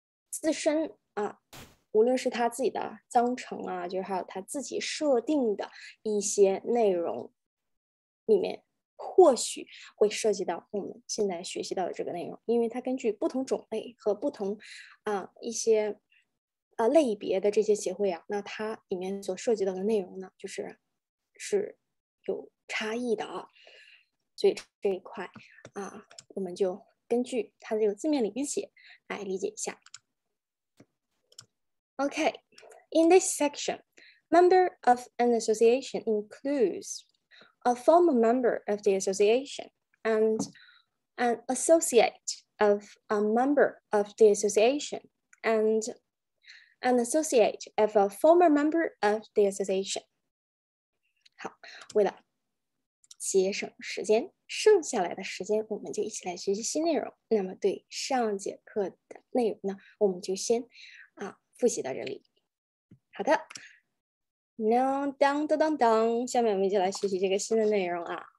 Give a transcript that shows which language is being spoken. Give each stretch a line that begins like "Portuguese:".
Chinese: 自身啊，无论是他自己的章程啊，就是还有他自己设定的一些内容里面，或许会涉及到我们现在学习到的这个内容，因为它根据不同种类和不同一些类别的这些协会啊，那它里面所涉及到的内容呢，就是有差异的啊。所以这一块啊，我们就根据它的这个字面理解来理解一下。
English: Okay, in this section, member of an association includes a former member of the association and an associate of a member of the association and an associate of a former member of the association.
Chinese: 好，为了节省时间，剩下来的时间我们就一起来学习新内容。那么对上节课的内容呢，我们就先复习到这里。好的， now 当当当当，下面我们就来学习这个新的内容啊。